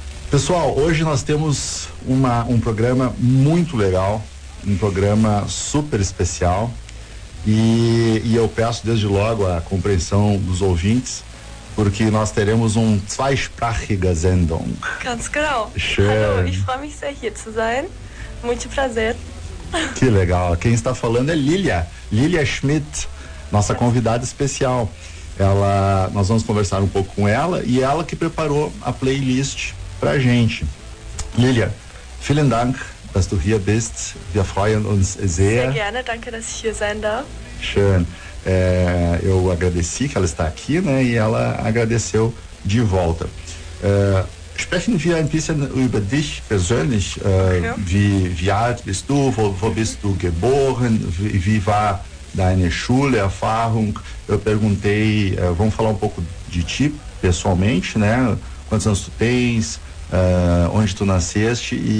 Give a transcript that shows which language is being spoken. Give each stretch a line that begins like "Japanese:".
Portuguese: Pessoal, hoje nós temos um programa muito legal, um programa super especial, e eu peço desde logo a compreensão dos ouvintes, porque nós teremos um
German: Zweisprachiger Sendung. Ganz genau. Schön. Hallo, ich freue mich sehr hier zu sein.
Portuguese: Muito prazer. Que legal. Quem está falando é Lilia. Lilia Schmidt, nossa convidada especial. Nós vamos conversar um pouco com ela, e ela que preparou a playlist pra gente.
German: Lilia, vielen Dank, dass du hier bist. Wir freuen uns sehr. Sehr gerne, danke, dass ich hier sein darf. Schön.
Portuguese: Eu agradeci que ela está aqui, né? E ela agradeceu de volta.
German: Sprechen wir ein bisschen über dich persönlich. Wie alt bist du? Wo bist du geboren? Wie war deine Schule, Erfahrung?
Portuguese: Eu perguntei, vamos falar um pouco de ti pessoalmente, né? Quantos anos tu tens? Onde tu nasceste?